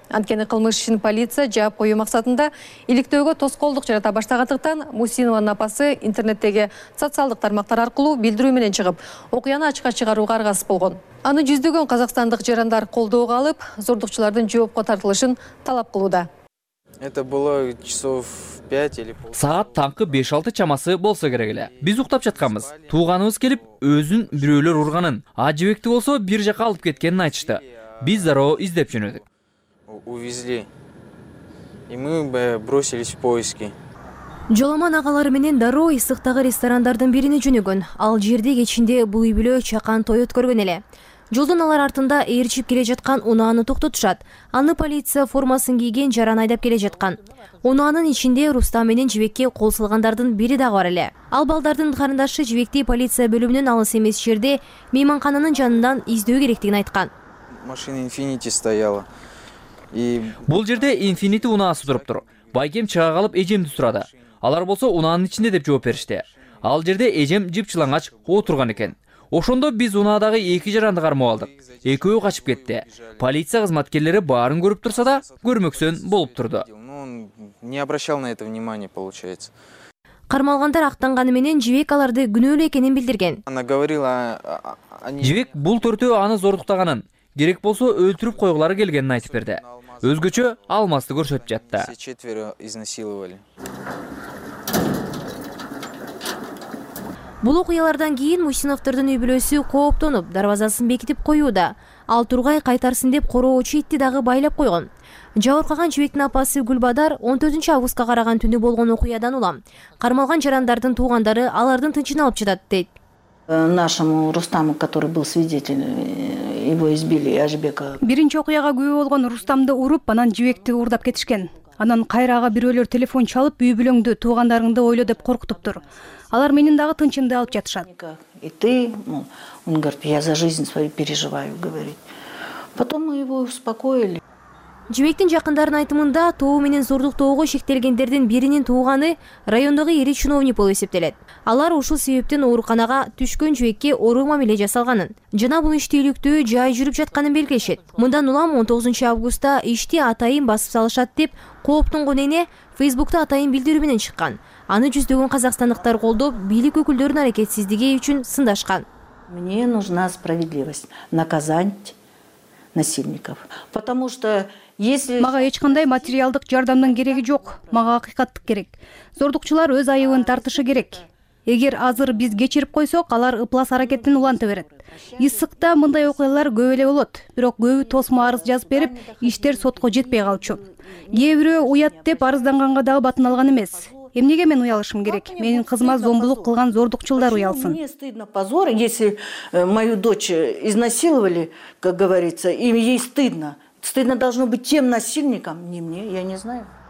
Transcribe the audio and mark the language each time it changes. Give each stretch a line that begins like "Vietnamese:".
Kyrgyz: Анткени кылмыш ишин полиция жаап коюу максатында иликтөөгө тоскоолдук жарата баштагандыктан Мусинованын апасы интернеттеги социалдык тармактар аркылуу билдирүү менен чыгып, окуяны ачыкка чыгарууга аргасыз болгон. Аны жүздөгөн казакстандык жарандар колдоого алып, зордукчулардын жоопко тартылышын талап кылууда.
Russian: Это было часов 5 или полтора.
Kyrgyz: Саат таңкы 5-6 чамасы болсо керек эле. Биз уктап жатканбыз. Тууганыбыз келип, өзүн бирөөлөр урганын, Ажибекти болсо бир жака алып кеткенин айтышты. Биз дароо издеп жөнөдүк.
Russian: Увезли. И мы бросились в поиски.
Kyrgyz: Жоломан агалары менен дароо Ысыктагы ресторандардын бирине жөнөгөн. Ал жерде кечинде бул үй бүлө чакан той өткөргөн эле. Жолдон алар артында ээрчип келе жаткан унааны токтотушат. Аны полиция формасын кийген жаран айдап келе жаткан. Унаанын ичинде Рустам менен Жибекке кол салгандардын бири дагы бар эле. Ал балдардын карындашы Жибекти полиция бөлүмүнөн алыс эмес жерде мейманкананын жанынан издөө керектигин айткан.
Russian: Машина Infiniti стояла.
Kyrgyz: Бул жерде Infiniti унаасы туруп тур. Байкем чыга калып эжемди сурады. Алар болсо унаанын ичинде деп жооп беришти. Ал жерде эжем жыпчылангач отурган экен. Ошондо биз унаадагы эки жаранды кармап алдык. Экөө качып кетти. Полиция кызматкерлери баарын көрүп турса да, көрмөксөн болуп турду.
Russian: Не обращал на это внимание, получается.
Kyrgyz: Кармалгандар актанганы менен Жибек аларды күнөөлүү экенин билдирген.
Russian: Она говорила,
Kyrgyz: Жибек бул төртөө аны зордуктаганын, керек болсо өлтүрүп койгулары келгенин айтып берди. Өзгөчө алмазды көрсөтүп жатты.
Russian: Все четверо изнасиловали.
Kyrgyz: Бул окуялардан кийин Мусиновдордун үй бүлөсү кооптонуп, дарбазасын бекитип коюуда. Ал тургай кайтарсын деп короочу итти дагы байлап койгон. Жабыркаган Жибектин апасы Гүлбадар 14 августка караган түнү болгон окуядан улам. Кармалган жарандардын туугандары алардын тынчын алып жатат дейт.
Russian: Нашему Рустаму, который был свидетель, его избили, Ажбека.
Kyrgyz: Биринчи окуяга күйөө болгон Рустамды уруп, анан Жибекти уурдап кетишкен. Анан кайраага бирөөлөр телефон чалып, үй бүлөңдү, туугандарыңды ойло деп коркутуптур. Алар менин дагы тынчымды алып жатышат.
Russian: И ты, он говорит, я за жизнь свою переживаю, говорит. Потом мы его успокоили.
Kyrgyz: Жибектин жакындарынын айтымында тоо менен зордуктоого шектелгендердин биринин тууганы райондогу ири чиновник болуп эсептелет. Алар ушул себептен ооруканага түшкөн Жибекке оору мамиле жасалганын жана бул ишти иликтөө жай жүрүп жатканын белгилешет. Мындан улам 19 августта ишти атайын басып салышат деп кооптонгон эне Фейсбукта атайын билдирүү менен чыккан. Аны жүздөгөн казакстандыктар колдоп, бийлик өкүлдөрүнүн аракетсиздиги үчүн сындашкан.
Russian: Мне нужна справедливость, наказать насильников. Потому что если...
Kyrgyz: Мага ешкандай материалдык жардамдын кереги жок, мага акыйкаттык керек. Зордукчулар өз айыбын тартышы керек. Эгер азыр биз кечирип койсок, алар ыплас аракетин уланта берет. Исыкта мындай окуялар көп эле болот, бирок көбү тосмо арыз жазып берип, иштер сотко жетпей калчу. Кээ бирөө уят деп арызданганга дагы батын алган эмес. Эмнеге мен уялышым керек? Менин кызыма зомбулук кылган зордукчулдар уялсын.
Russian: Мне стыдно, позор, если мою дочь изнасиловали, как говорится, им ей стыдно. Стыдно должно быть тем насильникам, не мне, я не знаю.